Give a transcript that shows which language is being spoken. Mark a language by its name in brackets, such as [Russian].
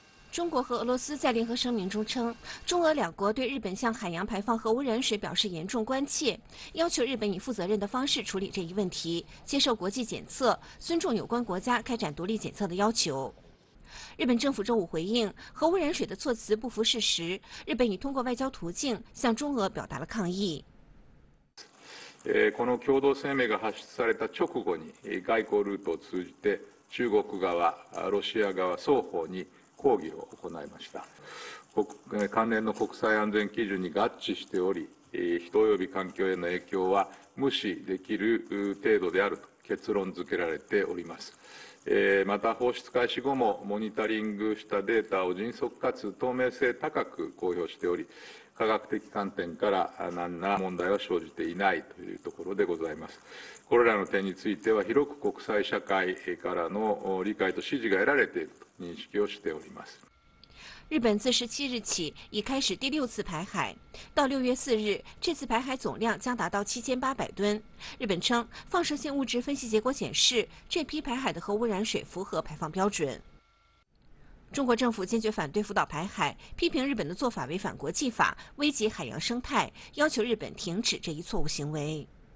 [Chinese] 中国和俄罗斯在联合声明中称，中俄两国对日本向海洋排放核污染水表示严重关切，要求日本以负责任的方式处理这一问题，接受国际检测，尊重有关国家开展独立检测的要求。日本政府周五回应，核污染水的措辞不符事实，日本已通过外交途径向中俄表达了抗议。 [Japanese] この共同声明が発出された直後に、外交ルートを通じて中国側、ロシア側双方に抗議を行いました。関連の国際安全基準に合致しており、人及び環境への影響は無視できる程度であると結論付けられております。また放出開始後もモニタリングしたデータを迅速かつ透明性高く公表しており、科学的観点から何ら問題は生じていないというところでございます。これらの点については広く国際社会からの理解と支持が得られていると認識をしております。 [Chinese] 日本自17日起已开始第6次排海，到6月4日，这次排海总量将达到7800吨。日本称，放射性物质分析结果显示，这批排海的核污染水符合排放标准。中国政府坚决反对福岛排海，批评日本的做法违反国际法，危及海洋生态，要求日本停止这一错误行为。